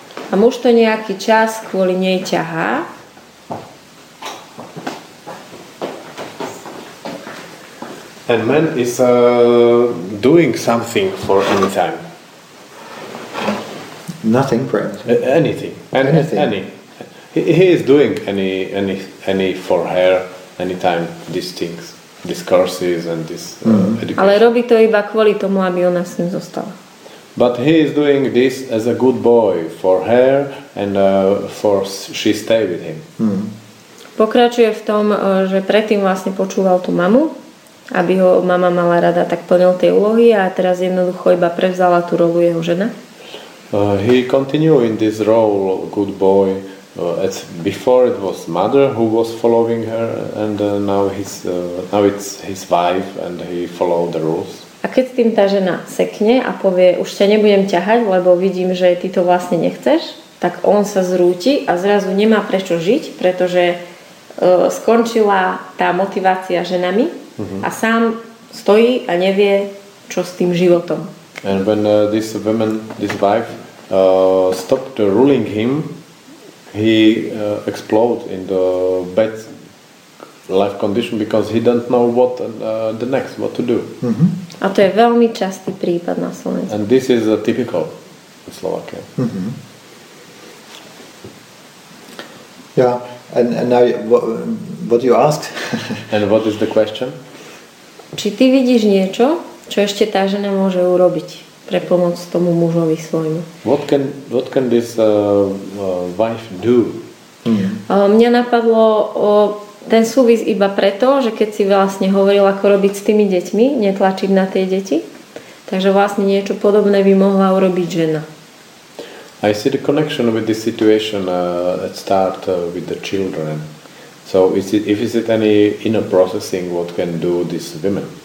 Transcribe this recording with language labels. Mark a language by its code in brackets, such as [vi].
[sk] A muž to nejaký čas kvôli nej ťahá. [en] And man is doing something for any time. Nothing, friend. Anything. Anything. He is doing any for her anytime these things, these courses and this education. [sk] Ale robí to iba kvôli tomu, aby ona s ním zostala. [en] But he is doing this as a good boy for her and for she stay with him. Mm. [sk] Pokračuje v tom, že predtým vlastne počúval tú mamu, aby ho mama mala rada, tak plnil tie úlohy a teraz jednoducho iba prevzala tú rolu jeho žena. [en] He continue in this role good boy. As before it was mother who was following her and now it's his wife and he followed the rules. [sk] A keď tým tá žena sekne a povie už ťa nebudem ťahať, lebo vidím, že ty to vlastne nechceš, tak on sa zrúti a zrazu nemá prečo žiť, pretože skončila tá motivácia ženami, mm-hmm. A sám stojí a nevie, čo s tým životom. [en] And when this woman, this wife stopped ruling him, he explode in the bad life condition because he don't know what the next, what to do. Mm-hmm. [sk] A to je veľmi častý prípad na Slovensku. [en] And this is a typical in Slovakia. Mm-hmm. Yeah, and now what you ask? And what is the question? [sk] Či ty vidíš niečo, čo ešte tá žena môže urobiť pre pomoc tomu mužovi svojmu? [en] What can this wife do? Mm-hmm. [sk] Mňa napadlo ten súvis iba preto, že keď si vlastne hovoril, ako robiť s tými deťmi, netlačiť na tie deti, takže vlastne niečo podobné by mohla urobiť žena. [en] I see the connection with this situation at start with the children. So is it any inner processing what can do these women?